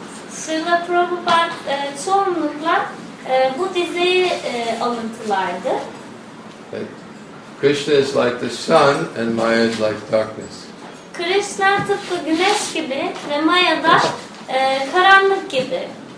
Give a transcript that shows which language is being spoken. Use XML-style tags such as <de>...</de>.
<tr>Srila Prabhupada çoğunlukla bu diziyi alıntılardı.</tr> <en>Krishna is like the sun and Maya is like darkness.</en> <tr>Krishna tıpkı güneş gibi ve Maya da karanlık gibi.</tr>